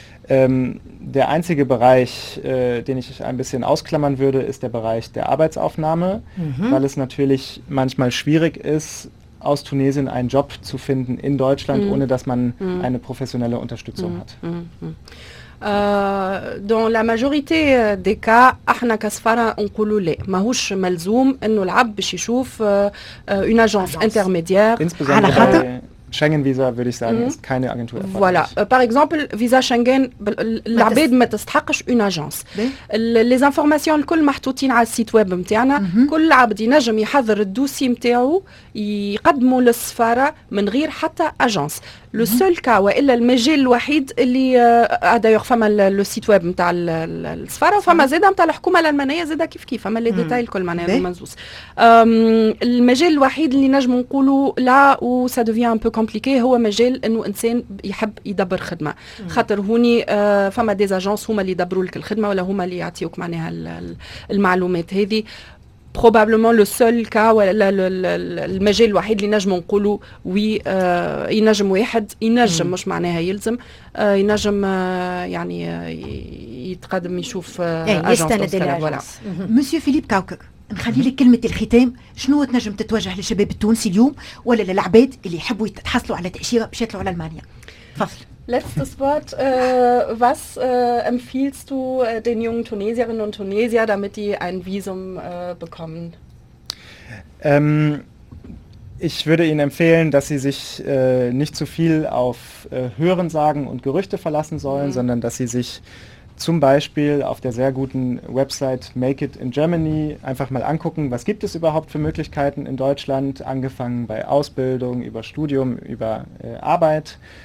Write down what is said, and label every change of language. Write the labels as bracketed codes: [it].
[de] Der einzige Bereich, den ich ein bisschen ausklammern würde, ist der Bereich der Arbeitsaufnahme, weil es natürlich manchmal schwierig ist, aus Tunesien einen Job zu finden in Deutschland, ohne dass man eine professionelle Unterstützung hat. [fr] Dans la majorité des cas, [ar] احنا كسفارة نقولوا لا ماهوش ملزوم انه العبد باش يشوف [fr] une agence intermédiaire [ar] على خاطر [de] Schengen-Visa, würde ich sagen, ist keine Agentur erforderlich. [fr] Voilà. Par exemple, [ar] Visa Schengen, العباد ما تستحقش [fr] une agence. Les informations, [ar] الكل محطوطين على السيت ويب متاعنا. كل عبد ينجم يحضر الدوسي متاعو يقدمه للسفارة من غير حتى agence. [fr] Le seul cas, [ar] وإلا المجال الوحيد اللي d'ailleurs, فما [fr] le site web [ar] متاع السفارة وفما زادا متاع الحكومة الألمانية زادا كيف كيف. فما لي ديتاي الكل معناها منزوس. المجال الوحيد اللي نجم نقولوا لا و سا دوفيان [fr] un peu compliqué [ar] هو مجال انه انسان يحب يدبر خدمه خاطر هوني فما دي اجانس هما اللي يدبروا لك الخدمه ولا هما اللي يعطيوك معناها المعلومات هذه [fr] probablement le seul cas [ar] ولا المجال الوحيد اللي نجم نقولوا وي ينجم واحد ينجم مش معناها يلزم ينجم يعني يتقدم يشوف اجانس ولا مسيو فيليب كاوكك نخلي لك كلمة الختام شنو تنجم تتوجه للشباب التونسي اليوم ولا للعباد اللي يحبوا يتحصلوا على تأشيرة باش يطلعوا على ألمانيا فصل [de] Letztes Wort. Was empfiehlst du den jungen Tunesierinnen und Tunesier, damit die ein Visum bekommen? Ich würde Ihnen empfehlen, dass Sie sich nicht zu viel auf Hörensagen und Gerüchte verlassen sollen, sondern dass Sie sich zum Beispiel auf der sehr guten Website Make It in Germany einfach mal angucken, was gibt es überhaupt für Möglichkeiten in Deutschland, angefangen bei Ausbildung, über Studium, über Arbeit.